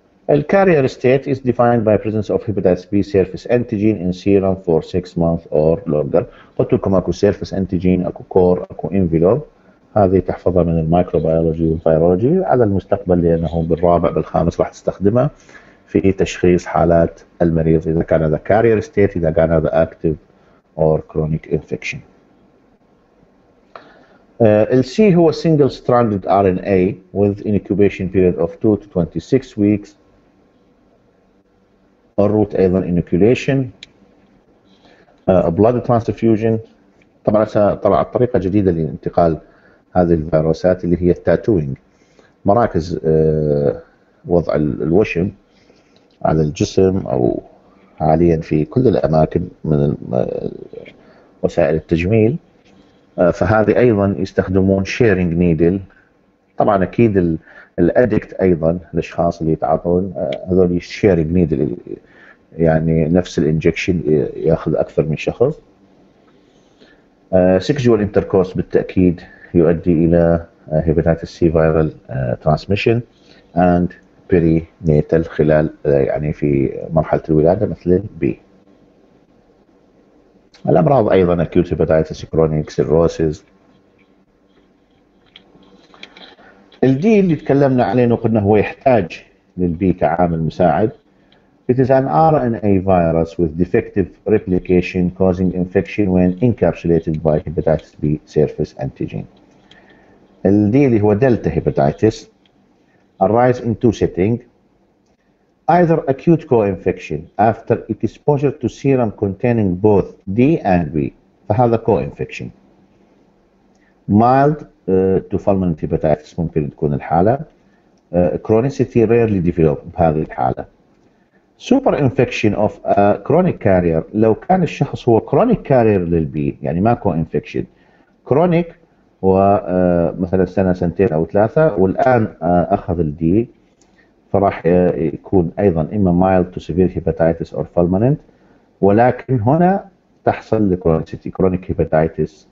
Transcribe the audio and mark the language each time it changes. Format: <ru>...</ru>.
<en>The carrier state is defined by presence of hepatitis B surface antigen in serum for 6 months or longer.</en> <ar>قلت لكم اكو surface antigen، اكو core، اكو envelope، هذه تحفظها من الميكروبيولوجي والفيرولوجي على المستقبل، لأنه بالرابع بالخامس راح تستخدمها في تشخيص حالات المريض إذا كان هذا carrier state، إذا كان هذا</ar> <en>active or chronic infection. C هو single stranded RNA with incubation period of 2 to 26 weeks.</en> <ar>الروت أيضا inoculation.</ar> <en>Blood transfusion.</en> <ar>طبعا طلع طريقة جديدة لانتقال هذه الفيروسات اللي هي التاتوينج، مراكز وضع الوشم على الجسم أو حاليا في كل الأماكن من وسائل التجميل، فهذه أيضا يستخدمون شيرينج نيدل. طبعا أكيد الأدكت أيضا الأشخاص اللي يتعاطون هذول شيرينج نيدل، يعني نفس الإنجكشن يأخذ أكثر من شخص. سيكجوال انتركورس بالتأكيد يؤدي إلى</ar> <en>hepatitis C viral transmission and perinatal</en> <ar>خلال يعني في مرحلة الولادة مثل B. الأمراض أيضا</ar> <en>acute hepatitis chronic cirrhosis.</en> <ar>D اللي تكلمنا عليه وقلنا هو يحتاج للB كعامل مساعد.</ar> <en>It is an RNA virus with defective replication causing infection when encapsulated by hepatitis B surface antigen.</en> <ar>الدي اللي هو دلتا هيباتيتس</ar> <en>arise in two settings: either acute co-infection after exposure to serum containing both D and B، فهذا co-infection. Mild to fulminant hepatitis ممكن تكون الحالة. Chronicity rarely develop</en> <ar>بهذه الحالة.</ar> <en>Super infection of a chronic carrier،</en> <ar>لو كان الشخص هو chronic carrier للB يعني ما co-infection، chronic ومثلا سنة سنتين أو ثلاثة والآن أخذ الدي، فراح يكون أيضا إما</ar> <en>mild to severe hepatitis or fulminant،</en> <ar>ولكن هنا تحصل</ar> <en>chronicity chronic hepatitis</en>